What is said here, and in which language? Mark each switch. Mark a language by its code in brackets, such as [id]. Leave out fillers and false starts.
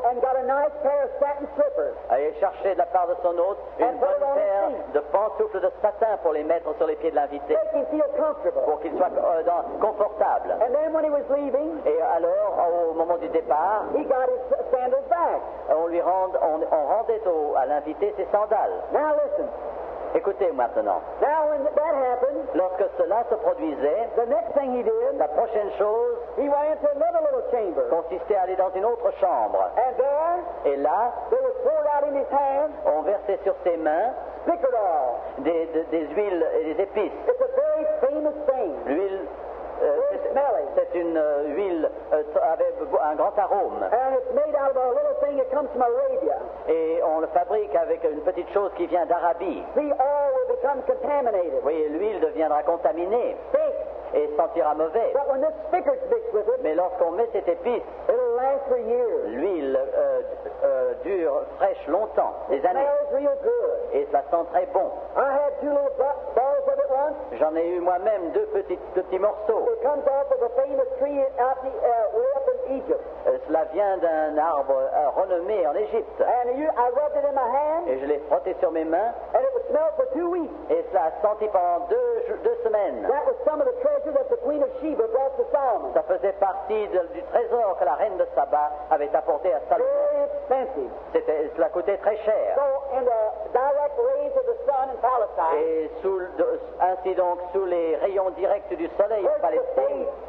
[en] And got a nice pair of satin slippers. [fr] Allait chercher de la part de son hôte une bonne paire de pantoufles de satin pour les mettre sur les pieds de l'invité. [en] Make him feel comfortable. [fr] Pour qu'il soit confortable. [en] And then when he was leaving, [fr] et alors, au moment du départ, [en] he got his sandals back. [fr] On rendait à l'invité ses sandales. [en] Now listen. [fr] Écoutez maintenant. [en] Now when that happened, [fr] lorsque cela se produisait, [en] the next thing he did, [fr] la prochaine chose, [en] he went into another little chamber, [fr] consistait à aller dans une autre chambre. [en] And there, [fr] et là, [en] they were poured out in his hands, [fr] on versait sur ses mains [en] spicador, [fr] des huiles et des épices. [en] It's a very famous thing. [fr] L'huile. C'est une huile avec un grand arôme. [en] And it's made out of a little thing that comes from Arabia. [fr] Et on le fabrique avec une petite chose qui vient d'Arabie. [en] The oil will become contaminated. [fr] Oui, l'huile deviendra contaminée. [en] Thick. [fr] Et sentira mauvais. [en] But when this spicker's mixed with it, [fr] mais lorsqu'on met cette épice, [en] it'll last for years. [fr] L'huile dure fraîche longtemps, [en] it [fr] des années. [en] Smells real good. [fr] Et ça sent très bon. [en] I had two little balls of it once. [fr] J'en ai eu moi-même deux petits morceaux. [en] It comes off of a famous tree out the way up in Egypt. [fr] Cela vient d'un arbre renommé en Égypte. [en] And I rubbed it in my hand. [fr] Et je l'ai frotté sur mes mains. [en] And it smelled for 2 weeks. [fr] Et cela a senti pendant deux semaines. [en] That was some of the treasure that the Queen of Sheba brought to Solomon. [fr] Ça faisait partie du trésor que la reine de Saba avait apporté à Salomon. [en] Very expensive. [fr] Cela coûtait très cher. [en] So in the direct rays of the sun in Palestine. [fr] Et ainsi donc sous les rayons directs du soleil en Palestine.